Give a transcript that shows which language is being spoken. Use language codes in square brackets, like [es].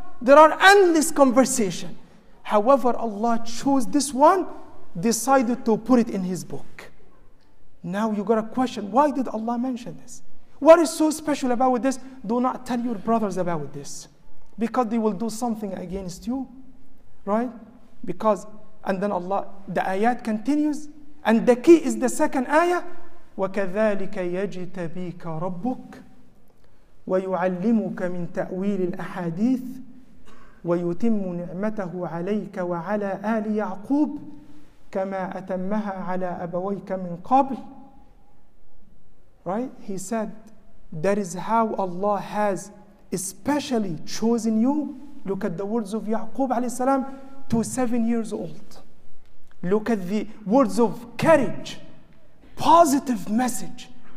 [en] There are endless conversations. However, Allah chose this one, decided to put it in his book. Now you got a question, why did Allah mention this? What is so special about this? Do not tell your brothers about this, because they will do something against you, right? Because, and then Allah, the ayat continues, and the key is the second ayah, [ar] وَكَذَلِكَ يَجْتَبِيكَ رَبُّكَ وَيُعَلِّمُكَ مِنْ تَأْوِيلِ الْأَحَادِيثِ ويتم نعمته عليك وعلى آل يعقوب كما أتمها على أبويك من قبل. [en] Right? He said, that is how Allah has especially chosen you. Look at the words of Yaqub عليه السلام to 7 years old. Look at the words of courage, positive message.